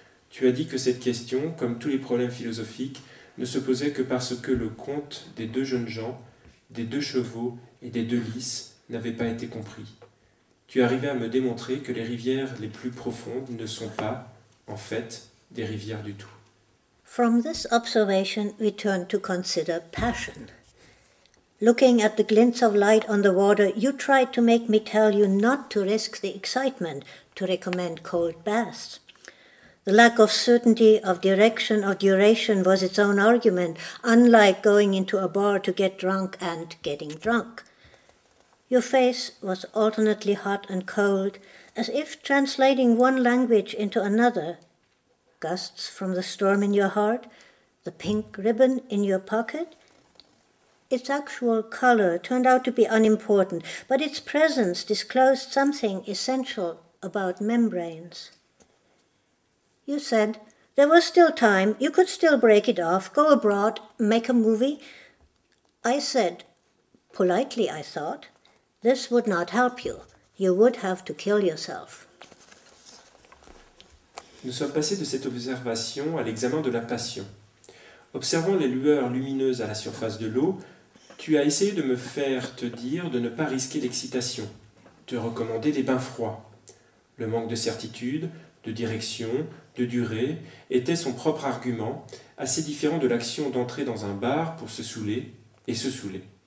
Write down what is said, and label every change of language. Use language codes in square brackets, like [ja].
[fr] Tu as dit que cette question, comme tous les problèmes philosophiques, ne se posait que parce que le conte des deux jeunes gens, des deux chevaux et des deux lys n'avaient pas été compris. Tu arrivais à me démontrer que les rivières les plus profondes ne sont pas, en fait, des rivières du tout. [en] From this observation, we turn to consider passion. Looking at the glints of light on the water, you tried to make me tell you not to risk the excitement, to recommend cold baths. The lack of certainty of direction or duration was its own argument, unlike going into a bar to get drunk and getting drunk. Your face was alternately hot and cold, as if translating one language into another, gusts from the storm in your heart, the pink ribbon in your pocket, its actual color turned out to be unimportant, but its presence disclosed something essential about membranes. You said there was still time, you could still break it off, go abroad, make a movie. I said, politely I thought, this would not help you. You would have to kill yourself. [fr] Nous sommes passés de cette observation à l'examen de la passion. Observant les lueurs lumineuses à la surface de l'eau, tu as essayé de me faire te dire de ne pas risquer l'excitation, de recommander des bains froids. Le manque de certitude, de direction, de durée, était son propre argument, assez différent de l'action d'entrer dans un bar pour se saouler et se saouler.